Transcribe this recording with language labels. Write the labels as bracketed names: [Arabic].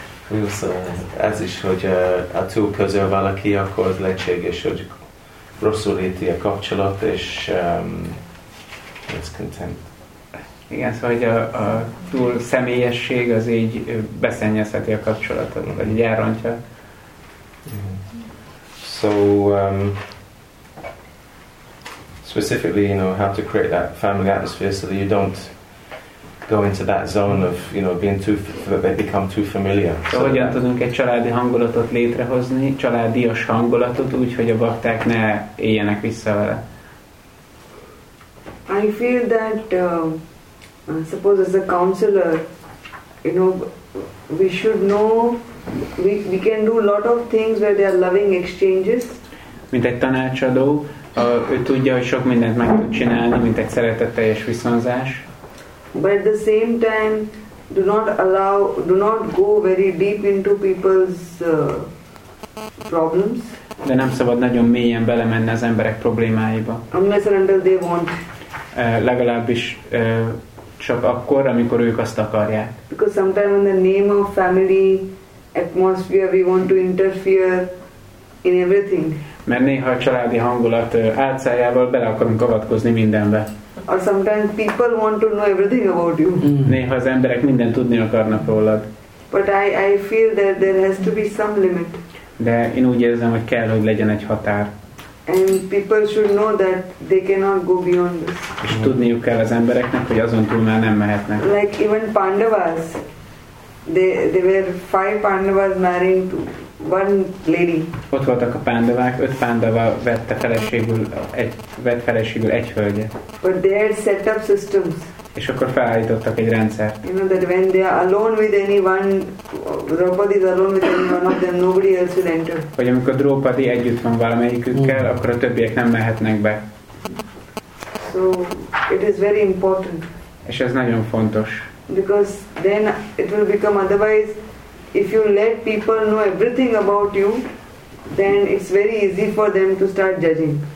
[English] We also, [Hungarian] ez is, hogy a túl közel valaki, akkor az lehetséges, hogy rosszul érti a kapcsolat, és [English] it's content. [Hungarian] Igen, szóval, hogy a túl személyesség az így beszennyezheti a kapcsolatot, vagy így elrontja. [English] So specifically, you know, how to create that family atmosphere so that you don't go into that zone of, you know, being too, that they become too familiar. [Hungarian] So hogyan tudunk egy családi hangulatot létrehozni, családias hangulatot, úgy, hogy a bakták ne éljenek vissza vele. [English] I feel that suppose as a counselor, you know, we should know, we can do a lot of things where there are loving exchanges. [Hungarian] Mint egy tanácsadó, ő tudja, hogy sok mindent meg tud csinálni, mint egy szeretetteljes viszonzás. [English] But at the same time, do not go very deep into people's problems. [Hungarian] De nem szabad nagyon mélyen belemenni az emberek problémáiba. [English] Unless and until they want. [Hungarian] Legalábbis csak akkor, amikor ők azt akarják. [English] Because sometimes in the name of family atmosphere, we want to interfere in everything. [Hungarian] Mert néha a családi hangulat álcájával bele akarunk avatkozni mindenbe. [English] Or sometimes people want to know everything about you. [Hungarian] Néha az emberek mindent tudni akarnak rólad. [English] But I feel that there has to be some limit. [Hungarian] De én úgy érzem, hogy kell, hogy legyen egy határ. [English] And people should know that they cannot go beyond this. [Hungarian] És tudniuk kell az embereknek, hogy azon túl már nem mehetnek. [English] Like even Pandavas, they were five Pandavas marrying to one lady. [Hungarian] Ott voltak a Pandavák, öt Pandava vett feleségül egy hölgyet. [English] But they had set up systems. [Hungarian] És akkor felállítottak egy rendszert. [English] You know that when they are alone with anyone, Draupadi is alone with anyone of them, nobody else will enter. [Hungarian] Hogy amikor Draupadi együtt van valamelyikükkel, akkor a többiek nem mehetnek be. [English] So it is very important. [Hungarian] És ez nagyon fontos. [English] Because then it will become otherwise, if you let people know everything about you, then it's very easy for them to start judging.